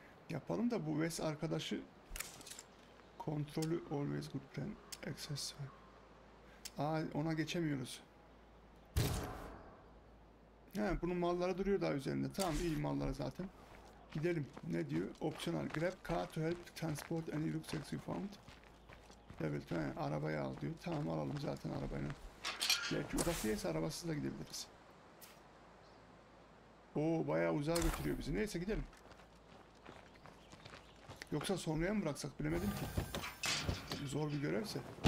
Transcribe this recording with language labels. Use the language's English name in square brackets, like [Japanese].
[Turkish] Yapalım da bu Wes arkadaşı kontrolü [English] always good plan access. [Turkish] Aa ona geçemiyoruz. He bunun malları duruyor daha üzerinde. Tamam iyi malları zaten. Gidelim. Ne diyor? Optional. [English] Grab car to help transport any rucksacks you found. [Turkish] Evet. He, arabayı al diyor. Tamam alalım zaten arabayı. Belki uzaklıysa arabasız da gidebiliriz. Oo bayağı uzağa götürüyor bizi. Neyse gidelim. Yoksa sonraya mı bıraksak bilemedim ki. Zor bir görevse.